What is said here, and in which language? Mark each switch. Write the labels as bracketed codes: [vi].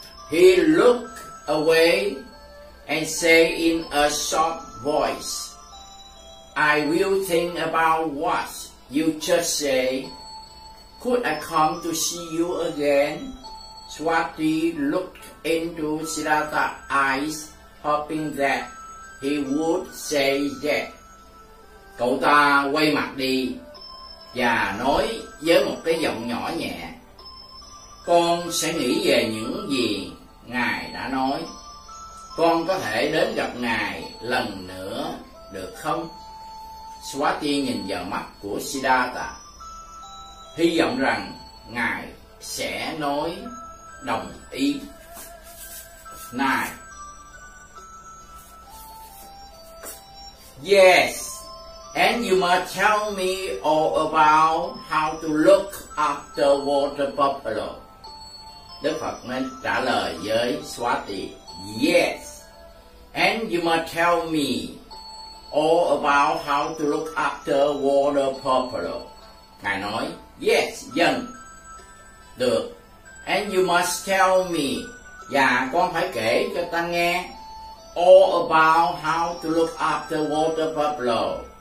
[en] He looked away and said in a soft voice, I will think about what you just say. Could I come to see you again? Swati looked into Siddhartha's eyes, hoping that he would say yes. [vi] Cậu ta quay mặt đi và nói với một cái giọng nhỏ nhẹ, con sẽ nghĩ về những gì Ngài đã nói. Con có thể đến gặp Ngài lần nữa được không? Swati nhìn vào mắt của Siddhartha, hy vọng rằng Ngài sẽ nói đồng ý. Này. [en] Yes. And you must tell me all about how to look after water buffalo. [vi] Đức Phật mới trả lời với Swati. [en] Yes. And you must tell me all about how to look after water buffalo. [vi] Ngài nói, [en] yes, [vi] dân. Được. [en] And you must tell me. [vi] Và con phải kể cho ta nghe [en] all about how to look after water buffalo.